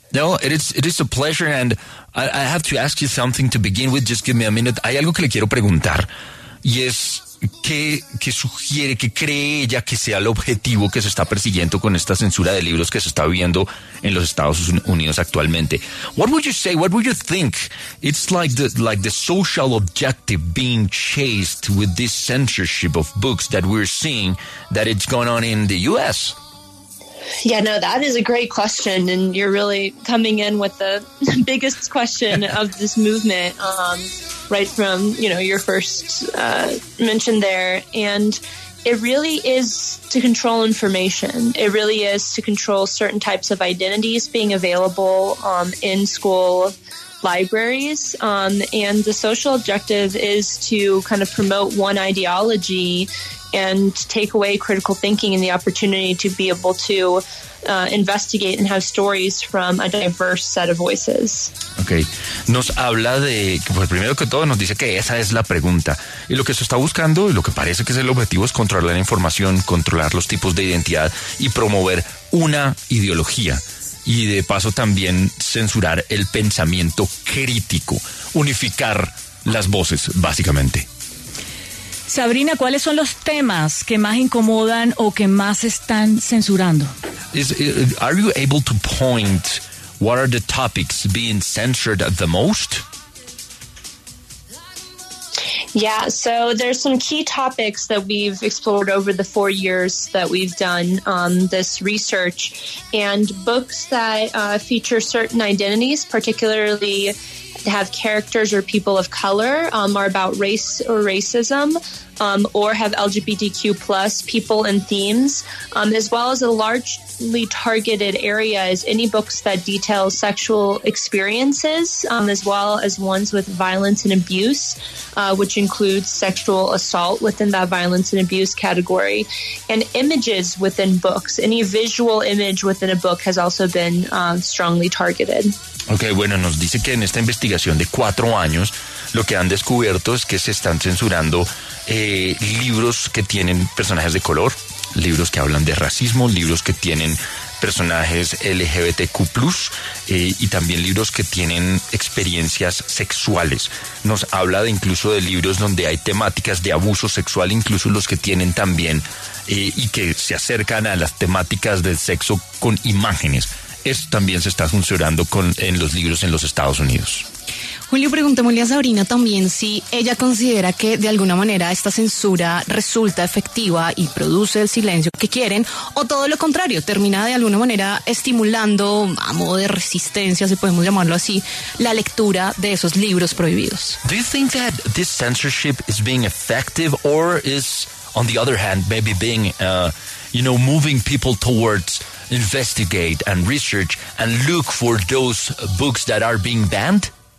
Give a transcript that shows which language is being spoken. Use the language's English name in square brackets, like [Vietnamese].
[English] No, it is a pleasure, and I have to ask you something to begin with. Just give me a minute. [Spanish] Hay algo que le quiero preguntar, y es qué sugiere, qué cree ella que sea el objetivo que se está persiguiendo con esta censura de libros que se está viviendo en los Estados Unidos actualmente. [English] What would you say? What would you think? It's like the social objective being chased with this censorship of books that we're seeing that it's going on in the U.S. Yeah, no, that is a great question, and you're really coming in with the biggest question of this movement, right from, you know, your first mention there. And it really is to control information. It really is to control certain types of identities being available in school libraries. And the social objective is to kind of promote one ideology and take away critical thinking and the opportunity to be able to investigate and have stories from a diverse set of voices. Okay. [Spanish] Nos habla de, pues primero que todo nos dice que esa es la pregunta. Y lo que se está buscando y lo que parece que es el objetivo es controlar la información, controlar los tipos de identidad y promover una ideología. Y de paso también censurar el pensamiento crítico, unificar las voces, básicamente. Sabrina, ¿cuáles son los temas que más incomodan o que más están censurando? [English] Are you able to point what are the topics being censored at the most? Yeah, so there's some key topics that we've explored over the 4 years that we've done this research, and books that feature certain identities, particularly have characters or people of color, are about race or racism, or have LGBTQ plus people and themes, as well as a largely targeted area is any books that detail sexual experiences, as well as ones with violence and abuse, which includes sexual assault within that violence and abuse category, and images within books. Any visual image within a book has also been strongly targeted. [Spanish] Okay, bueno, nos dice que en esta investigación de 4 años, lo que han descubierto es que se están censurando libros que tienen personajes de color, libros que hablan de racismo, libros que tienen personajes LGBTQ+, y también libros que tienen experiencias sexuales. Nos habla de incluso de libros donde hay temáticas de abuso sexual, incluso los que tienen también y que se acercan a las temáticas del sexo con imágenes. Esto también se está funcionando en los libros en los Estados Unidos. Julio, preguntémosle a Sabrina también si ella considera que de alguna manera esta censura resulta efectiva y produce el silencio que quieren, o todo lo contrario, termina de alguna manera estimulando, a modo de resistencia, si podemos llamarlo así, la lectura de esos libros prohibidos. [English] Do you think that this censorship is being effective, or is, on the other hand, maybe being, you know, moving people towards investigate and research and look for those books that are being banned?